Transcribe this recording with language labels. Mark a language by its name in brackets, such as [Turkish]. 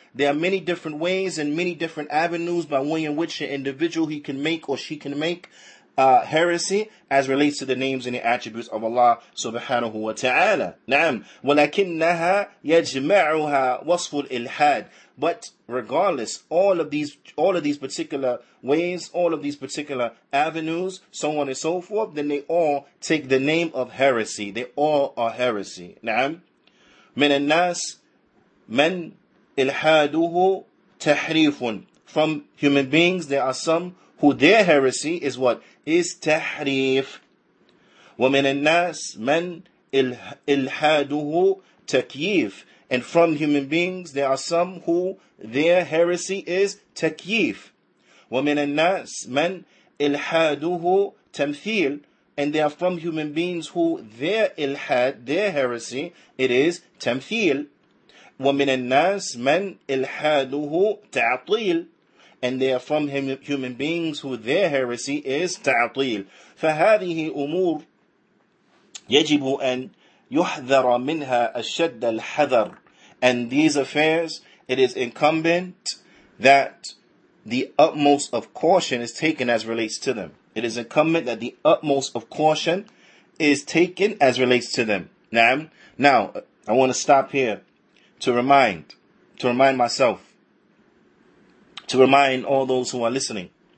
[English] There are many different ways and many different avenues by way in which an individual he can make or she can make heresy as relates to the names and the attributes of Allah subhanahu wa ta'ala. [Arabic] نعم. وَلَكِنَّهَا يَجْمَعُهَا وَصْفُ الْإِلْحَادِ. [English] But regardless, all of these particular ways, all of these particular avenues, so on and so forth, then they all take the name of heresy. They all are heresy. نعم. [Arabic] من الناس من إلحاده تحريف. [English] From human beings, there are some who their heresy is what? Is تحريف. [Arabic] ومن الناس من إلحاده تكييف. [English] And from human beings, there are some who their heresy is تكييف. [Arabic] ومن الناس من إلحاده تمثيل. [English] And they are from human beings who their إلحاد, their heresy, it is تمثيل. [Arabic] ومن الناس من إلحاده تعطيل. [English] And they are from human beings who their heresy is تعطيل. [Arabic] فهذه أمور يجب أن يحذر منها الشد الحذر. [English] And these affairs, it is incumbent that the utmost of caution is taken as relates to them. It is incumbent that the utmost of caution is taken as relates to them. Now, I want to stop here to remind myself, to remind all those who are listening.